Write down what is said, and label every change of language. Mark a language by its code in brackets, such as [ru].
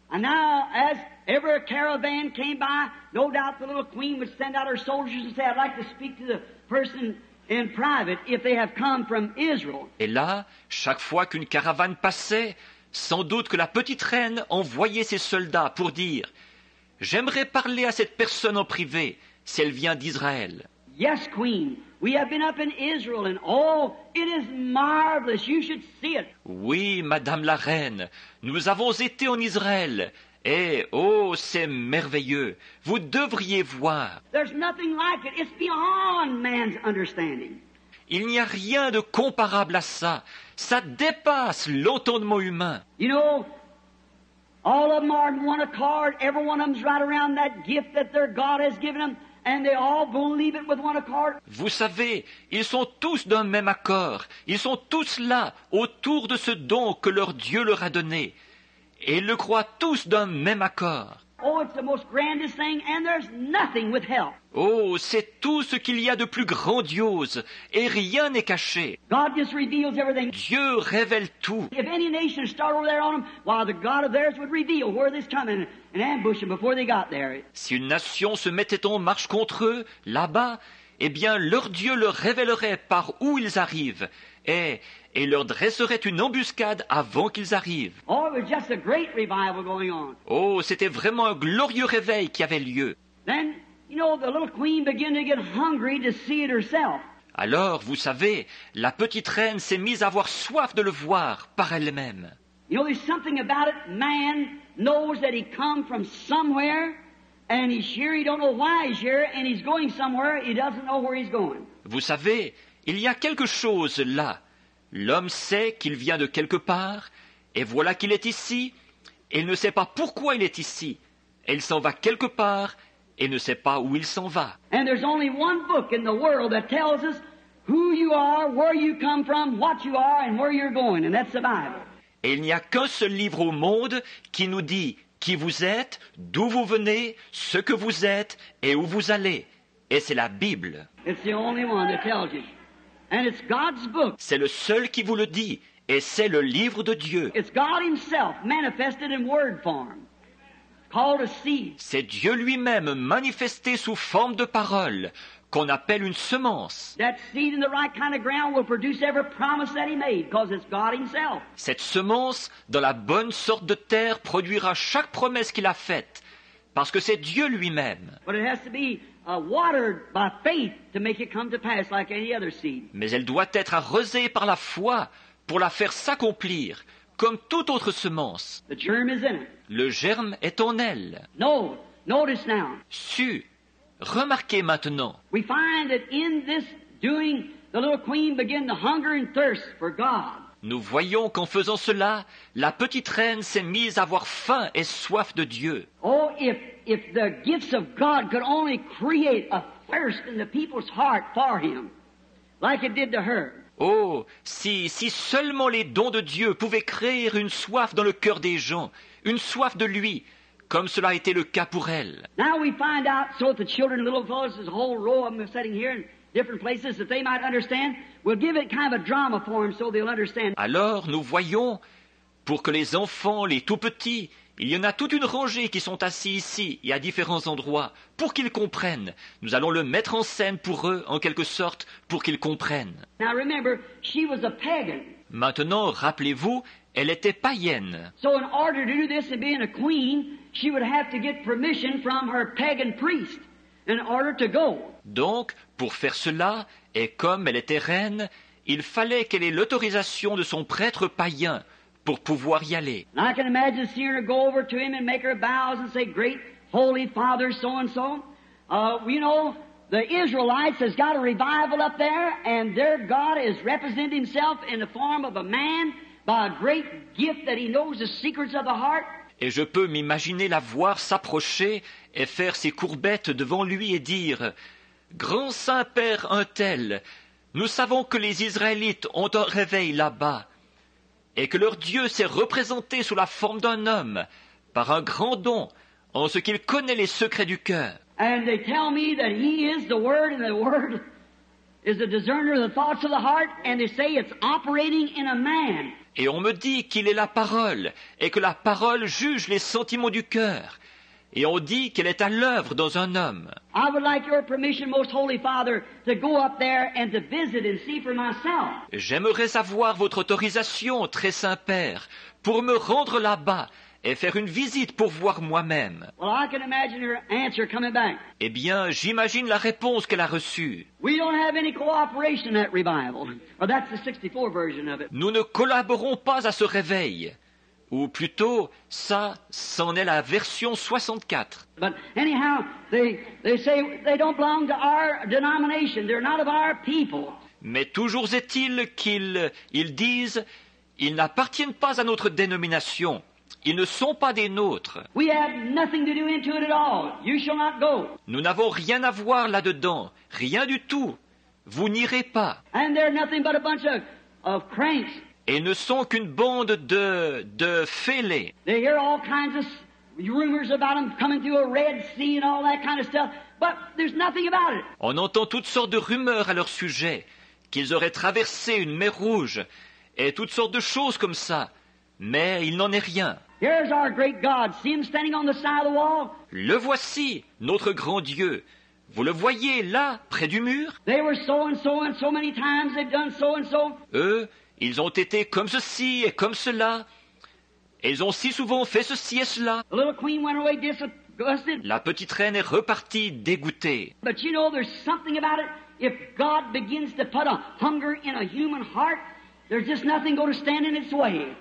[en] And now, as every caravan came by, no doubt the little queen would send out her soldiers and say, I'd like to speak to the person in private, if they have come from Israel. [fr] Et là, chaque fois qu'une caravane passait, sans doute que la petite reine envoyait ses soldats pour dire, j'aimerais parler à cette personne en privé, si elle vient d'Israël. [en] Yes, queen, we have been up in Israel, and oh, it is marvelous, you should see it. [fr] Oui, madame la reine, nous avons été en Israël, et oh, c'est merveilleux, vous devriez voir. [en] There's nothing like it. It's beyond man's understanding. [fr] Il n'y a rien de comparable à ça. Ça dépasse l'entendement humain. [en] You know, all of them are in one accord. Every one of them's right around that gift that their God has given them. And they all believe it with one accord. [fr] Vous savez, ils sont tous d'un même accord. Ils sont tous là, autour de ce don que leur Dieu leur a donné. Et ils le croient tous d'un même accord. [en] Oh, it's the most grandest thing, and there's nothing withheld. [fr] Oh, c'est tout ce qu'il y a de plus grandiose, et rien n'est caché. [en] God just reveals everything. [fr] Dieu révèle tout. [en] If any nation started over there on them, while the God of theirs would reveal where this coming and ambush them before they got there. [fr] Si une nation se mettait en marche contre eux, là-bas, eh bien, leur Dieu leur révélerait par où ils arrivent, et leur dresserait une embuscade avant qu'ils arrivent. [en] Oh, it was just a great revival going on. [fr] Oh, c'était vraiment un glorieux réveil qui avait lieu. [en] Then, you know, the little queen began to get hungry to see it herself. [fr] Alors, vous savez, la petite reine s'est mise à avoir soif de le voir par elle-même. [en] You know, there's something about it. Man knows that he come from somewhere, and he's here. He don't know why he's here, and he's going somewhere. He doesn't know where he's going. [fr] Vous savez, il y a quelque chose là. L'homme sait qu'il vient de quelque part, et voilà qu'il est ici, et il ne sait pas pourquoi il est ici. Il s'en va quelque part, et ne sait pas où il s'en va. [en] And there's only one book in the world that tells us who you are, where you come from, what you are, and where you're going, and that's the Bible. [fr] Et il n'y a qu'un seul livre au monde qui nous dit qui vous êtes, d'où vous venez, ce que vous êtes, et où vous allez. Et c'est la Bible. [en] It's the only one that tells you. And it's God's book. [fr] C'est le seul qui vous le dit, et c'est le livre de Dieu. [en] It's God himself manifested in word form, called a seed. [fr] C'est Dieu lui-même manifesté sous forme de parole, qu'on appelle une semence. [en] That seed in the right kind of ground will produce every promise that he made, because it's God himself. [fr] Cette semence dans la bonne sorte de terre produira chaque promesse qu'il a faite, parce que c'est Dieu lui-même. [en] But it has to be watered by faith to make it come to pass like any other seed. [fr] Mais elle doit être arrosée par la foi pour la faire s'accomplir comme toute autre semence. [en] The germ is in it. [fr] Le germe est en elle. [en] No, notice now. [fr] Su, remarquez maintenant. [en] We find that in this doing, the little queen began to hunger and thirst for God. [fr] Nous voyons qu'en faisant cela, la petite reine s'est mise à avoir faim et soif de Dieu. [en] Oh, if the gifts of God could only create a thirst in the people's heart for him, like it did to her. [fr] Oh, si seulement les dons de Dieu pouvaient créer une soif dans le cœur des gens, une soif de lui, comme cela a été le cas pour elle. [en] Now we find out, so that the children, little fellows, there's a whole row of them sitting here, and different places that they might understand. We'll give it kind of a drama form so they'll understand. [fr] Alors nous voyons, pour que les enfants, les tout-petits, il y en a toute une rangée qui sont assis ici et à différents endroits, pour qu'ils comprennent. Nous allons le mettre en scène pour eux, en quelque sorte, pour qu'ils comprennent. [en] Now remember, she was a pagan. [fr] Maintenant, rappelez-vous, elle était païenne. [en] So in order to do this and being a queen, she would have to get permission from her pagan priest in order to go. [fr] Donc, pour faire cela, et comme elle était reine, il fallait qu'elle ait l'autorisation de son prêtre païen pour pouvoir y aller. [en] I can imagine seeing her go over to him and make her bows and say, "Great Holy Father, so and so." You know, the Israelites has got a revival up there, and their God is representing himself in the form of a man by a great gift that he knows the secrets of the heart. [fr] Et je peux m'imaginer la voir s'approcher et faire ses courbettes devant lui et dire, "Grand Saint-Père un tel, nous savons que les Israélites ont un réveil là-bas et que leur Dieu s'est représenté sous la forme d'un homme par un grand don en ce qu'il connaît les secrets du cœur." [en] And they tell me that he is the Word, and the Word is the discerner of the thoughts of the heart, and they say it's operating in a man. [fr] Et on me dit qu'il est la parole, et que la parole juge les sentiments du cœur. Et on dit qu'elle est à l'œuvre dans un homme. [en] I would like your permission, most holy Father, to go up there and to visit and see for myself. [fr] J'aimerais avoir votre autorisation, très saint Père, pour me rendre là-bas et faire une visite pour voir moi-même. [en] Well, I can imagine her answer coming back. [fr] Eh bien, j'imagine la réponse qu'elle a reçue. [en] We don't have any cooperation in that revival. Well, that's the 64 version of it. [fr] Nous ne collaborons pas à ce réveil. Ou plutôt, ça, c'en est la version 64. [en] But anyhow, they say they don't belong to our denomination. They're not of our people. [fr] Mais toujours est-il qu'ils disent, ils n'appartiennent pas à notre dénomination. Ils ne sont pas des nôtres. [en] We have nothing to do into it at all. You shall not go. [fr] Nous n'avons rien à voir là-dedans. Rien du tout. Vous n'irez pas. [en] And they're nothing but a bunch of cranks. [fr] Et ne sont qu'une bande de fêlés. [en] They hear all kinds of rumors about them coming through a Red Sea and all that kind of stuff, but there's nothing about it. [fr] On entend toutes sortes de rumeurs à leur sujet, qu'ils auraient traversé une mer rouge, et toutes sortes de choses comme ça, mais il n'en est rien. [en] Here's our great God. See him standing on the side of the wall. [fr] Le voici, notre grand Dieu. Vous le voyez là, près du mur. [en] They were so and so and so many times they've done so and so. [fr] Eux, ils ont été comme ceci et comme cela. Ils ont si souvent fait ceci et cela. [en] The little queen went away disgusted. [fr] La petite reine est repartie dégoûtée. [en] But you know, there's something about it. If God begins to put a hunger in a human heart, there's just nothing going to stand in its way.